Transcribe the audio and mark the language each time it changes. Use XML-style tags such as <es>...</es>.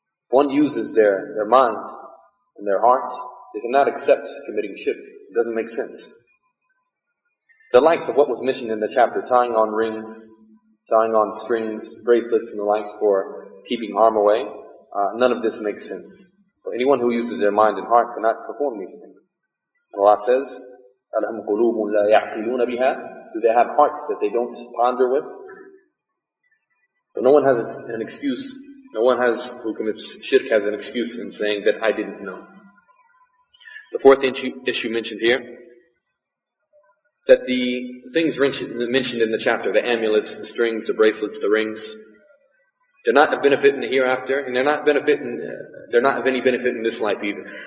<en>One uses their mind and their heart, they cannot accept committing shirk. It doesn't make sense. The likes of what was mentioned in the chapter, tying on rings, tying on strings, bracelets and the likes for keeping harm away, none of this makes sense. So anyone who uses their mind and heart cannot perform these things. Allah says,</en> <ar>أَلَهُمْ قُلُوبٌ لَا يَعْقِلُونَ بِهَا.</ar> <en>Do they have hearts that they don't ponder with? So no one has an excuse, no one has who commits shirk has an excuse in saying that I didn't know. The fourth issue mentioned here, that the things mentioned in the chapter, the amulets, the strings, the bracelets, the rings, they're not of benefit in the hereafter, and they're not of any benefit in this life either.</en>